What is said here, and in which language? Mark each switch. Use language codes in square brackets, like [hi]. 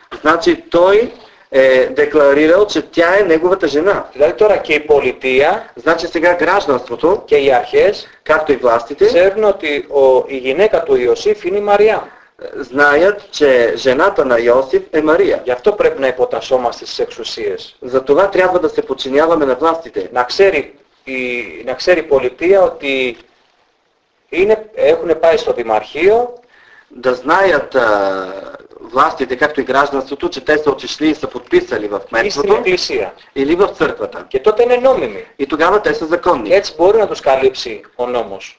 [bg] Значи той декларирал, че тя е неговата жена. [el] Дали тора και η πολιτεία, [bg] значи сега гражданството, [el] και οι αρχές, [bg] както и властите, [el] ξέρουν ότι η γυναίκα του Ιωσήφ είναι η Μαρία. [bg] знаят, че жената на Йосиф е Мария. [el] Γι' αυτό πρέπει να υποτασσόμαστε στις εξουσίες. [bg] За това трябва да се подчиняваме на властите. [el] Να ξέρει η πολιτεία ότι είναι, έχουν πάει στο Δημαρχείο. [bg] Да знаят властите, както и гражданството, че те са отишли и са подписали в кметството или в църквата. [el] Και τότε είναι νόμιμοι. [bg] И тогава те са законни. [el] Έτσι μπορεί να τους καλύψει ο νόμος.